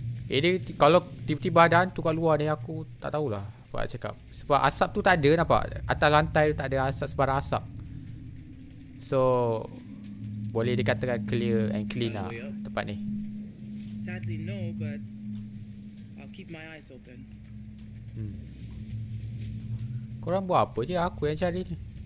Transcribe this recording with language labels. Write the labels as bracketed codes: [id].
[ms] Eh, dia kalau tiba-tiba ada hantu kat luar ni aku tak tahulah. Buat cakap. Sebab asap tu tak ada nampak. Atas lantai tu tak ada asap sebarang asap. So boleh dikatakan [en] clear and clean [ms] lah tempat ni. [en] Sadly no, but I'll keep my eyes open. [ms] Korang buat apa je aku yang cari ni?